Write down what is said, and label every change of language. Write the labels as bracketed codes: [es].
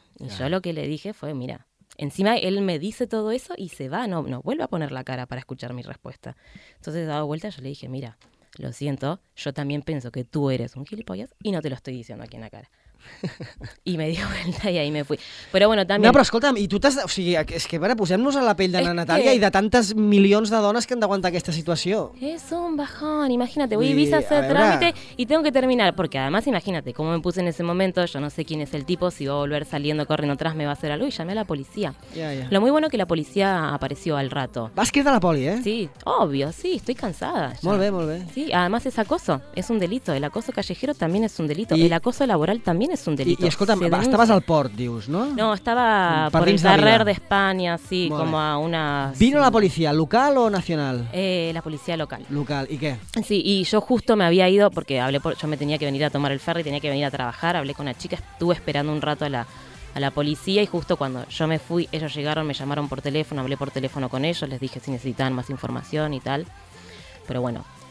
[es] Y yo lo que le dije fue, mira, encima él me dice todo eso y se va, no vuelve a poner la cara para escuchar mi respuesta. Entonces, dado vuelta, yo le dije, mira... lo siento, yo también pienso que tú eres un gilipollas y no te lo estoy diciendo aquí en la cara. Y me dio vuelta y ahí me fui. Pero bueno, también... [ca] No, però escolta'm, i tu t'has... O sigui, és que, bueno, posem-nos a la pell de la Natàlia que... i de tantes milions de dones que han d'aguantar aquesta situació. [es] És un bajón, imagínate, voy a Ibiza a hacer trámite y tengo que terminar. Porque además, imagínate, cómo me puse en ese momento, yo no sé quién es el tipo, si va a volver saliendo corriendo atrás me va a hacer algo y llamé a la policía. Lo muy bueno que la policía apareció al rato. [ca] Vas quedar a la poli, ¿eh? [es] Sí, obvio, sí, estoy cansada. [ca] Ya. Molt bé, molt bé. [es] Sí, además es acoso, es un delito. El acoso callejero también es un delito. El acoso laboral también es un delito. [ca] I escolta, estaves al port, dius, no? No, estava per el carrer d'Espanya, sí, molt com bé. A una... [es] ¿Vino la policía local o nacional? La policía local. Local, ¿y qué? Sí, y yo justo me había ido, porque yo me tenía que venir a tomar el ferry, tenía que venir a trabajar, hablé con una chica, estuve esperando un rato a la policía y justo cuando yo me fui, ellos llegaron, me llamaron por teléfono, hablé por teléfono con ellos, les dije si necesitaban más información y tal, pero bueno...